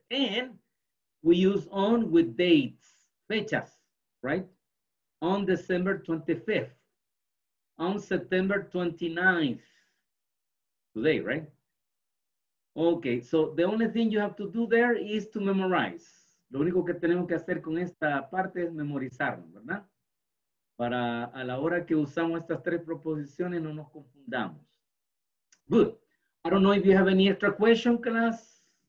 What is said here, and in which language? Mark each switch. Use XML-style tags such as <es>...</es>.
<en>And we use on with dates, fechas, right? On December 25th, on September 29th, today, right? Okay, so the only thing you have to do there is to memorize.</en> <es>Lo único que tenemos que hacer con esta parte es memorizarnos, ¿verdad? Para a la hora que usamos estas tres proposiciones no nos confundamos.</es> <en>Good. I don't know if you have any extra question, class.</en>